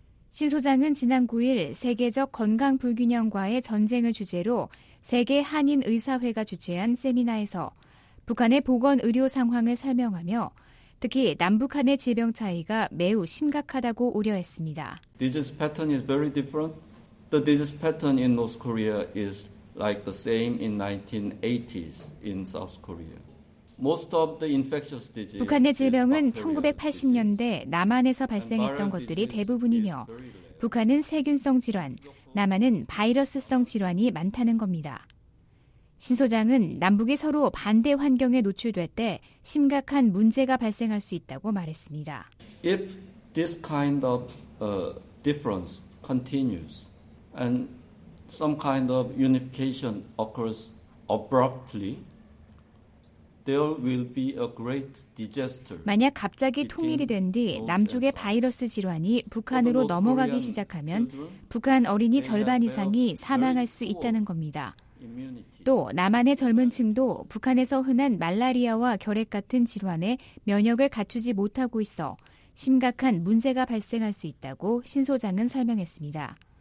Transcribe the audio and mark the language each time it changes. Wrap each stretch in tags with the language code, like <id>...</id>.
<ko>신 소장은 지난 9일 세계적 건강 불균형과의 전쟁을 주제로 세계 한인의사회가 주최한 세미나에서 북한의 보건 의료 상황을 설명하며 특히 남북한의 질병 차이가 매우 심각하다고 우려했습니다.</ko> <en>Disease pattern is very different. The disease pattern in North Korea is like the same in 1980s in South Korea. Most of the infectious disease.</en> <ko>북한의 질병은 1980년대 남한에서 발생했던 것들이 대부분이며 북한은 세균성 질환, 남한은 바이러스성 질환이 많다는 겁니다. 신 소장은 남북이 서로 반대 환경에 노출될 때 심각한 문제가 발생할 수 있다고 말했습니다.</ko> <en>If this kind of difference continues and some kind of unification occurs abruptly, there will be a great disaster.</en> <ko>만약 갑자기 통일이 된 뒤 남쪽의 바이러스 질환이 북한으로 넘어가기 시작하면 북한 어린이 절반 이상이 사망할 수 있다는 겁니다. 또 남한의 젊은 층도 북한에서 흔한 말라리아와 결핵 같은 질환에 면역을 갖추지 못하고 있어 심각한 문제가 발생할 수 있다고 신 소장은 설명했습니다.</ko>